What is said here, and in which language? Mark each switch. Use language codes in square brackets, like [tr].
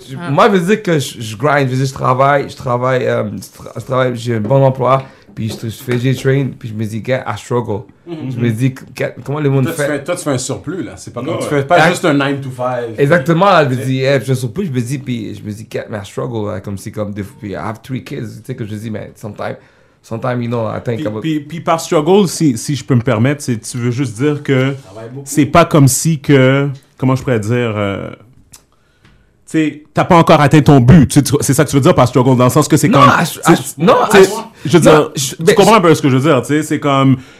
[fr] Moi, je veux dire que je grind, je veux dire je travaille, j'ai un bon emploi, puis je fais J-Train, puis je me dis, [en] get a struggle. [fr] Mm-hmm. Je me dis, comment le monde toi, fait? Toi, tu fais un surplus, là. C'est pas comme, tu fais pas juste un 9 to 5. Exactement, là. Je me dis, [en] get a struggle, [fr] là. [en] Comme, I have 3 kids, [fr] tu sais, que je dis, mais [en] sometimes, you know, I think about... [fr] Puis par struggle, si je peux me permettre, c'est, tu veux juste dire que c'est pas comme si que... Comment je pourrais dire... tu sais, t'as pas encore atteint ton but. C'est ça que tu veux dire par struggle, dans le sens que c'est comme... Non, je veux dire, tu comprends un peu ce que je veux dire, tu sais, c'est comme...